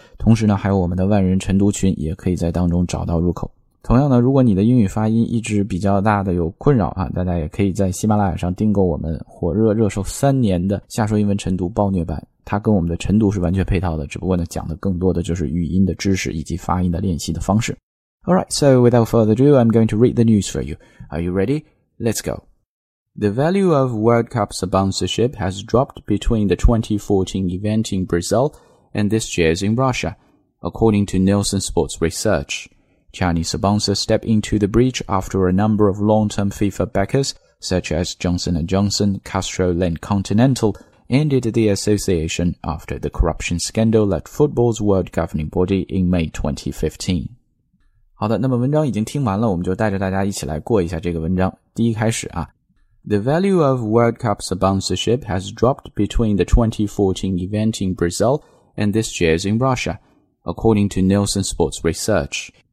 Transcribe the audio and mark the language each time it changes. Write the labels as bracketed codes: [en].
[zh] 同时呢，还有我们的万人晨读群，也可以在当中找到入口。同样呢，如果你的英语发音一直比较大的有困扰啊，大家也可以在喜马拉雅上订购我们火热热售三年的下说英文晨读暴虐版，它跟我们的晨读是完全配套的，只不过呢讲的更多的就是语音的知识以及发音的练习的方式。 [en] Alright, so without further ado, I'm going to read the news for you. Are you ready? Let's go. The value of World Cup sponsorship has dropped between the 2014 event in Brazil and this year's in Russia, according to Nielsen Sports ResearchChinese sponsors step into the breach after a number of long-term FIFA backers, such as Johnson & Johnson, Castro and Continental, ended the association after the corruption scandal led football's world governing body in May 2015. [zh] 好的，那么文章已经听完了，我们就带着大家一起来过一下这个文章。第一开始啊， [en] The value of World Cup sponsorship has dropped between the 2014 event in Brazil and this year's in Russia, according to Nielsen Sports Research.